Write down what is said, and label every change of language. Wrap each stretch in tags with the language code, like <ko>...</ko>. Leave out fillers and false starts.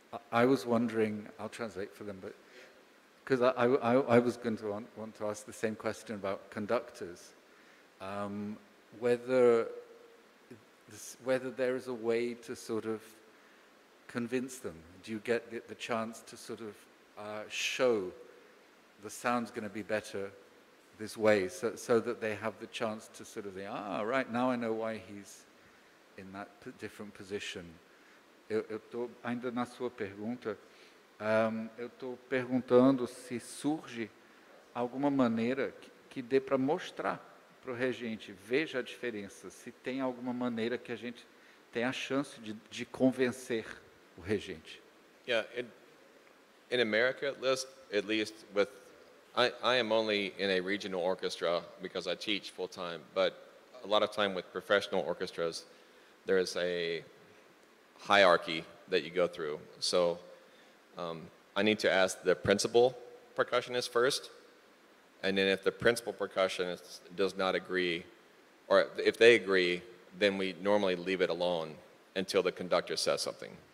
<en>I was wondering, I'll translate for them, but because I was going to want to ask the same question about conductors, whether there is a way to sort of convince them. Do you get the chance to sort of show the sound's going to be better this way, so that they have the chance to sort of say, ah, right, now I know why he's in that different position.</en> <pt>Eu tô ainda na sua pergunta, eu estou perguntando se surge alguma maneira que dê para mostrar para o regente, veja a diferença, se tem alguma maneira que a gente tenha a chance de convencer o regente.</pt> <en>Yeah, in America, at least with I am only in a regional orchestra because I teach full time, but a lot of time with professional orchestras, there is a hierarchy that you go through. So I need to ask the principal percussionist first, and then if the principal percussionist does not agree, or if they agree, then we normally leave it alone until the conductor says something.</en>